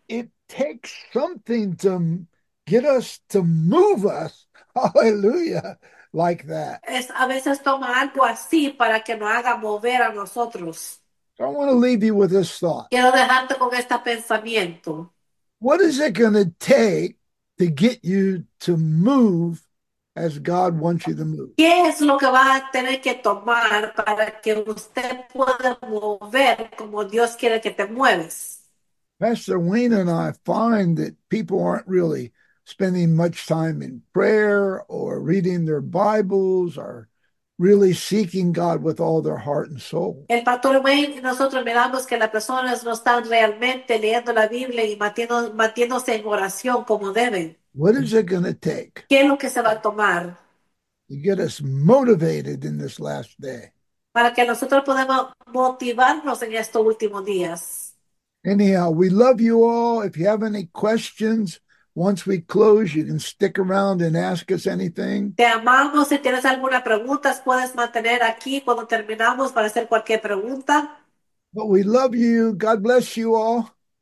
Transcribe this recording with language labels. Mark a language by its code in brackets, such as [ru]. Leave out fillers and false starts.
[en] It takes something to get us to move us, hallelujah, like that. [es] Es a veces toma algo así para que nos haga mover a nosotros. [en] So I want to leave you with this thought. [es] Quiero dejarte con este pensamiento. [en] What is it going to take to get you to move as God wants you to move? [es] Es lo que va a tener que tomar para que usted pueda mover como Dios quiere que te mueves? [en] Pastor Wayne and I find that people aren't really spending much time in prayer or reading their Bibles or really seeking God with all their heart and soul. [es] El pastor Wayne y nosotros miramos que las personas no están realmente leyendo la Biblia y manteniéndose en oración como deben. [en] What is it going to take [es] ¿Qué es lo que se va a tomar [en] to get us motivated in this last day? [es] para que nosotros podamos motivarnos en estos últimos días? [en] Anyhow, we love you all. If you have any questions, once we close, you can stick around and ask us anything. [es] Te amamos. Si tienes alguna pregunta, puedes mantener aquí cuando terminamos para hacer cualquier pregunta. [en] But we love you. God bless you all.